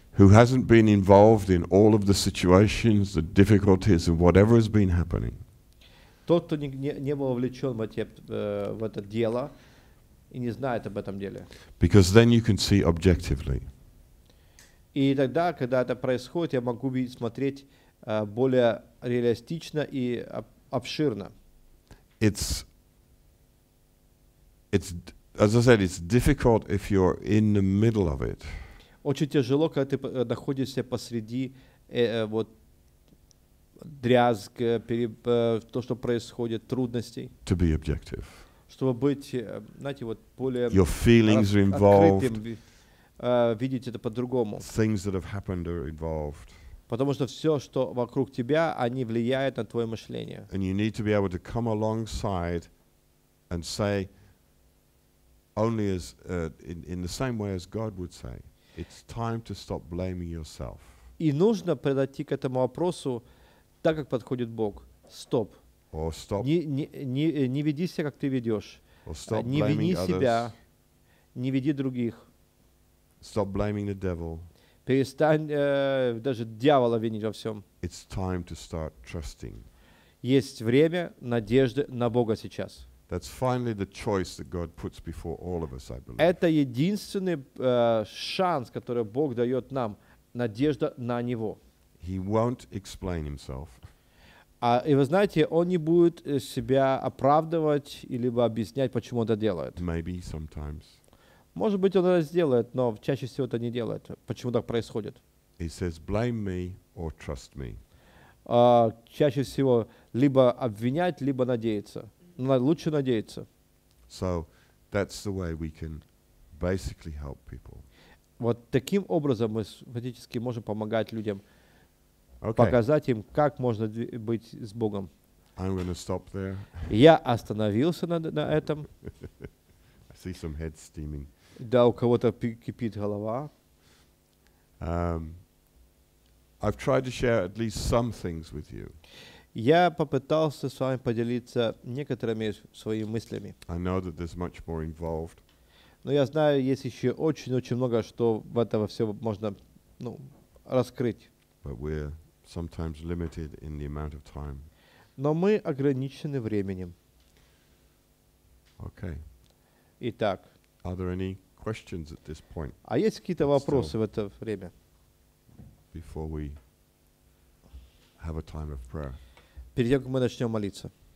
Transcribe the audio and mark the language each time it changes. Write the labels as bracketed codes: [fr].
[en] Who hasn't been involved in all of the situations, the difficulties, and whatever has been happening. [ru] Тот, кто не был вовлечен в это дело. И не знает об этом деле. [en] Because then you can see objectively. [ru] И тогда, когда это происходит, я могу смотреть более реалистично и обширно. [en] It's as I said, it's difficult if you're in the middle of it. [ru] Очень тяжело, когда ты находишься посреди вот дрязг, то, что происходит, трудностей. [en] To be objective. [ru] Чтобы быть, знаете, вот более [en] your feelings are involved, [ru] открытым, видеть это по-другому. [en] Things that have happened are involved. [ru] Потому что все, что вокруг тебя, они влияют на твое мышление. [en] And you need to be able to come alongside and say only as in the same way as God would say, it's time to stop blaming yourself. [ru] И нужно подойти к этому вопросу так, как подходит Бог. Стоп. [en] Or stop. [ru] Не веди себя, как ты ведешь. [en] Or stop [ru] не вини [en] blaming [ru] себя, [en] others. [ru] Не веди других. [en] Stop blaming the devil. [ru] Перестань даже дьявола винить во всем. [en] It's time to start trusting. [ru] Есть время надежды на Бога сейчас. [en] That's finally the choice that God puts before all of us, I believe. [ru] Это единственный шанс, который Бог дает нам, надежда на Него. [en] He won't explain himself. [ru] И вы знаете, он не будет себя оправдывать или объяснять, почему это делает. [en] Maybe sometimes. [ru] Может быть, он это сделает, но чаще всего это не делает. Почему так происходит? [en] He says, blame me or trust me. [ru] Чаще всего либо обвинять, либо надеяться. Лучше надеяться. [en] So that's the way we can basically help people. [ru] Вот таким образом мы фактически можем помогать людям, okay. Показать им, как можно быть с Богом. [en] I'm gonna stop there. [ru] Я остановился на этом. [en] I see some head steaming. [ru] Да, у кого-то кипит голова. [en] I've tried to share at least some things with you. [ru] Я попытался с вами поделиться некоторыми своими мыслями. [en] I know that there's much more involved. [ru] Но я знаю, есть еще очень-очень много, что в этого все можно, ну, раскрыть. [en] But we're sometimes limited in the amount of time. [ru] Но мы ограничены временем. [en] Okay. [ru] Итак. [en] Are there any questions at this point? [ru] А есть какие-то вопросы в это время? [en] Before we have a time of prayer. [ru] Перед тем, как мы начнем молиться.